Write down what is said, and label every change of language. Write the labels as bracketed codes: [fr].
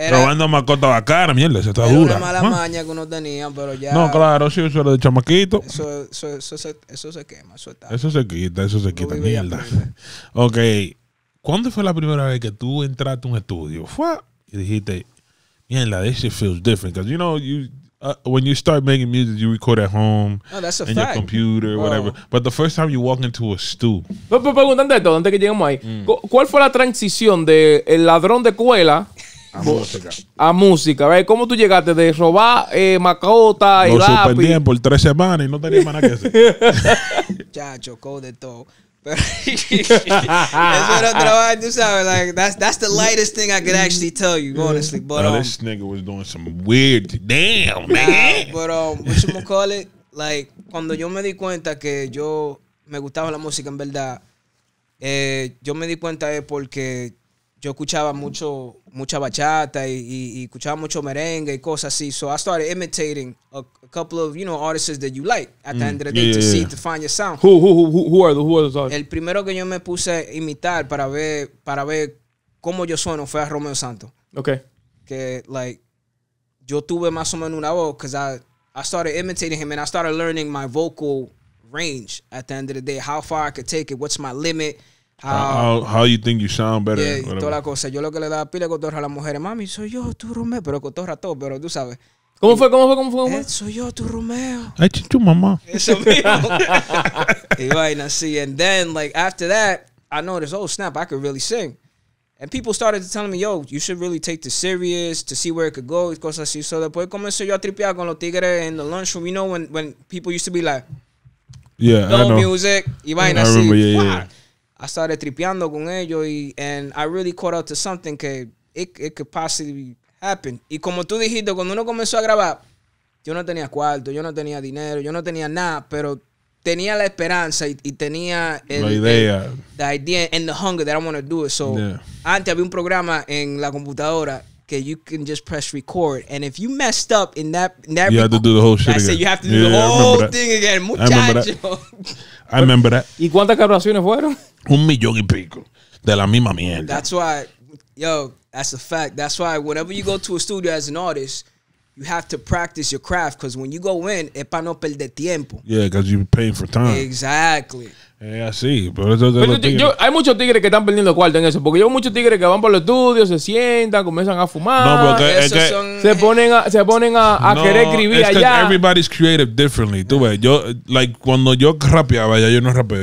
[es] Robando mascota bacana, mierda, eso está era dura. Una mala maña que uno tenía, pero ya. No, claro, sí, eso era de chamaquito. Eso se quema, eso está. Eso se quita, mierda. Ok, ¿cuándo fue la primera vez que tú entraste a un estudio? Fue y dijiste, mierda, [en] this shit feels different. Because, you know, you... when you start making music, you record at home. Oh, that's a fact. In your computer, whatever. But the first time you walk into a stew. [es] Pero preguntando esto, antes que lleguemos ahí. ¿Cuál fue la transición de el ladrón de escuela a música? ¿Ves? ¿Cómo tú llegaste de robar macota y lápiz? Lo suspendí por 3 semanas y no tenía más nada que hacer. Ya chocó de todo. Eso era otra vaina, tú sabes. [en] Like, that's the lightest thing I could actually tell you, honestly. But now, this nigga was doing some weird. Damn, man. But what you gonna call it? [es] Like, cuando yo me di cuenta que yo me gustaba la música en verdad, yo me di cuenta es porque yo escuchaba mucha bachata y escuchaba mucho merengue y cosas así. [en] So I started imitating a couple of, you know, artists that you like at the end of the day to find your sound. Who are those artists? [es] El primero que yo me puse a imitar para ver cómo yo sueno fue a Romeo Santos. [en] Okay. [es] Que, like, yo tuve más o menos una voz [en] because I started imitating him and I started learning my vocal range at the end of the day, how far I could take it, what's my limit. How you think you sound better? [es] Yeah, toda la cosa. Yo lo que le daba pila cotorra a las mujeres, mami, soy yo, tu Romeo, pero cotorra todo, pero tú sabes. ¿Cómo fue? Soy yo, tu Romeo. Ay, tu mamá. Eso mismo. Y vaina, sí. [en] And then, like, after that, I noticed, oh, snap, I could really sing. And people started telling me, yo, you should really take this serious to see where it could go [es] y cosas así. [en] So [es] después comencé yo a tripear con los tigres [en] in the lunchroom. You know when people used to be like, yeah, no music. [es] Y vaina así. [en] I started [es] tripeando con ellos [en] and I really caught up to something que it could possibly happen. [es] Y como tú dijiste, cuando uno comenzó a grabar, yo no tenía cuarto, yo no tenía dinero, yo no tenía nada, pero tenía la esperanza y tenía [en] the idea and the hunger that I want to do it. So, yeah. [es] Antes había un programa en la computadora que [en] you can just press record. And if you messed up in that you have to do the whole shit again. I said, you have to do the whole thing again, muchacho. I remember that. [es] ¿Y cuántas grabaciones fueron? 1,000,000 y pico de la misma mierda. [en] That's why, yo, that's a fact. That's why whenever you go to a studio as an artist, you have to practice your craft because when you go in, [es] es para no perder tiempo. [en] Yeah, because you're paying for time. Exactly. [es] Yeah, sí. Pero eso es lo que. Hay muchos tigres que están perdiendo cuarto en eso porque hay muchos tigres que van por el estudio, se sientan, comienzan a fumar. No, porque se ponen a no, querer escribir allá. No, [en] everybody's creative differently. [es] Tú ves, yo, like, cuando yo rapeaba, ya yo no rapeo.